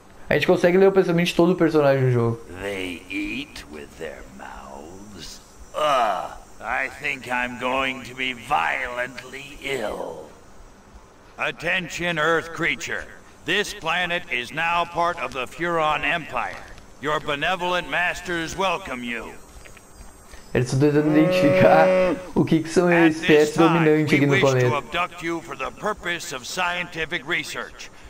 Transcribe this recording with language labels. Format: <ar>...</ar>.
<pt>A gente consegue ler o pensamento de todo o personagem do jogo.</pt> <en>They eat with their mouths. I think I'm going to be violently ill. Attention, Earth creature. This planet is now part of the Furon Empire. Your benevolent masters welcome you.</en> <pt>Eles estão tentando identificar o que são as espécies dominantes aqui no planeta.</pt> <en>To abduct you for the purpose of scientific research.</en>